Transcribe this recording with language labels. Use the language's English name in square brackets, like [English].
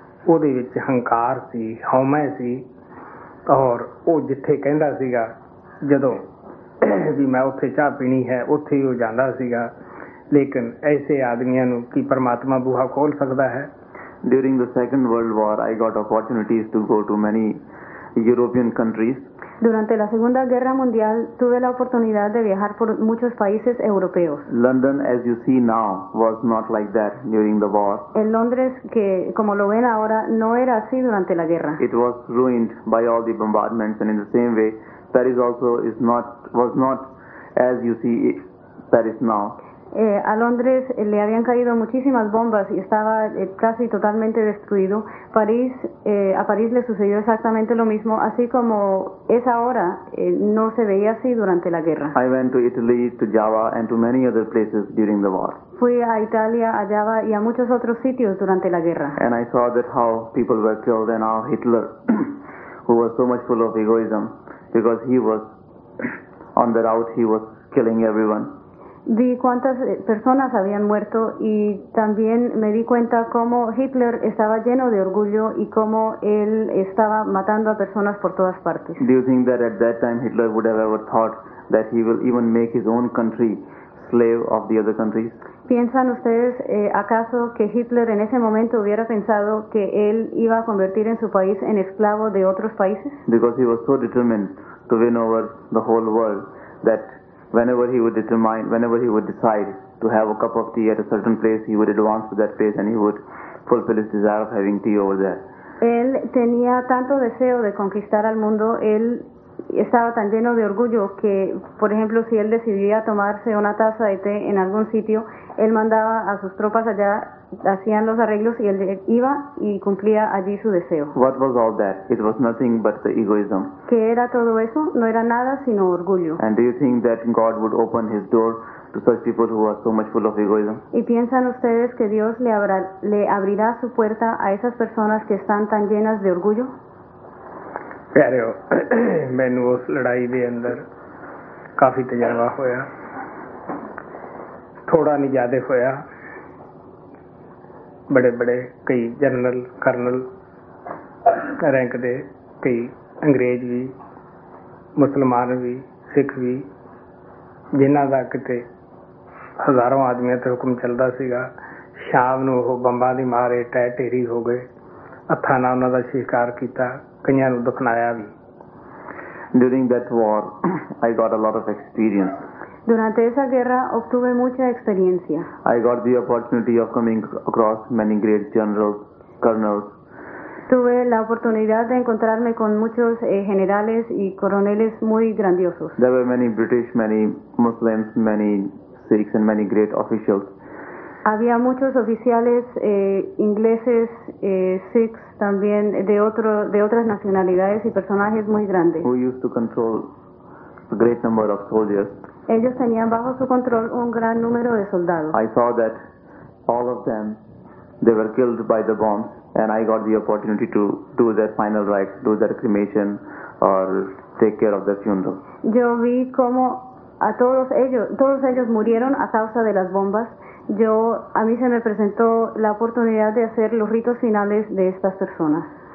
[Punjabi] ਉਹਦੇ ਵਿੱਚ ਹੰਕਾਰ ਸੀ, ਹਉਮੈ ਸੀ। ਔਰ ਉਹ ਜਿੱਥੇ ਕਹਿੰਦਾ ਸੀਗਾ ਜਦੋਂ ਵੀ ਮੈਂ ਉੱਥੇ ਚਾਹ ਪੀਣੀ ਹੈ, ਉੱਥੇ ਹੀ ਉਹ ਜਾਂਦਾ ਸੀਗਾ। ਲੇਕਿਨ ਐਸੇ ਆਦਮੀਆਂ ਨੂੰ ਕੀ ਪਰਮਾਤਮਾ ਬੂਹਾ ਖੋਲ੍ਹ ਸਕਦਾ ਹੈ? [English] During the second world war I got opportunities to go to many European countries. [Spanish] Durante la Segunda Guerra Mundial tuve la oportunidad de viajar por muchos países europeos. [English] London, as you see now, was not like that during the war. [Spanish] El Londres que como lo ven ahora no era así durante la guerra. [English] It was ruined by all the bombardments, and in the same way Paris also was not as you see Paris now. [Spanish] A Londres le habían caído muchísimas bombas y estaba casi totalmente destruido. A París le sucedió exactamente lo mismo, así como es ahora, no se veía así durante la guerra. [English] I went to Italy, to Java, and to many other places during the war. [Spanish] Fui a Italia, a Java y a muchos otros sitios durante la guerra. [English] And I saw that how people were killed and how Hitler, who was so much full of egoism, because he was on the route, he was killing everyone. [Spanish] Vi cuántas personas habían muerto y también me di cuenta cómo Hitler estaba lleno de orgullo y cómo él estaba matando a personas por todas partes. [English] Do you think that at that time Hitler would have ever thought that he will even make his own country slave of the other countries? [Spanish] ¿Piensan ustedes acaso que Hitler en ese momento hubiera pensado que él iba a convertir en su país en esclavo de otros países? [English] Because he was so determined to win over the whole world that whenever he would decide to have a cup of tea at a certain place, he would advance to that place and he would fulfill his desire of having tea over there. [Spanish] Él tenía tanto deseo de conquistar al mundo, él estaba tan lleno de orgullo que, por ejemplo, si él decidía tomarse una taza de té en algún sitio, él mandaba a sus tropas allá, hacían los arreglos y él iba y cumplía allí su deseo. [English] What was all that? It was nothing but the egoism. [Spanish] ¿Qué era todo eso? No era nada sino orgullo. [English] And do you think that God would open his door to such people who are so much full of egoism? [Spanish] ¿Y piensan ustedes que Dios le abrirá su puerta a esas personas que están tan llenas de orgullo? [Punjabi] ¿Pero men us ladai de andar kafi tajruba hoya? Thoda ni zyada hoya. ਬੜੇ ਬੜੇ ਕਈ general colonel rank ਦੇ ਕਈ ਅੰਗਰੇਜ਼ ਵੀ ਮੁਸਲਮਾਨ ਵੀ ਸਿੱਖ ਵੀ ਜਿਨ੍ਹਾਂ ਦਾ ਕਿਤੇ ਹਜ਼ਾਰਾਂ ਆਦਮੀਆਂ 'ਤੇ ਹੁਕਮ ਚੱਲਦਾ ਸੀਗਾ ਸ਼ਾਮ ਨੂੰ ਉਹ ਬੰਬਾਂ ਦੀ ਮਾਰੇ ਟਹਿ ਢੇਰੀ ਹੋ ਗਏ ਹੱਥਾਂ ਨਾਲ ਉਹਨਾਂ ਦਾ ਸ਼ਿਕਾਰ ਕੀਤਾ ਕਈਆਂ ਨੂੰ ਦਫਨਾਇਆ ਵੀ [English] during that war I got a lot of experience [Spanish] Durante esa guerra obtuve mucha experiencia. [English] I got the opportunity of coming across many great generals, colonels. [Spanish] Tuve la oportunidad de encontrarme con muchos generales y coroneles muy grandiosos. [English] There were many British, many Muslims, many Sikhs and many great officials. [Spanish] Había muchos oficiales ingleses, Sikhs también de otras nacionalidades y personajes muy grandes. [English] Who used to control a great number of soldiers. [Spanish] Ellos tenían bajo su control un gran número de soldados. [English] I saw that all of them, they were killed by the bombs, and I got the opportunity to do their final rites, do their cremation, or take care of their funeral. [Spanish] Yo vi cómo a todos ellos murieron a causa de las bombas. A mí se me presentó la oportunidad de hacer los ritos finales de estas personas.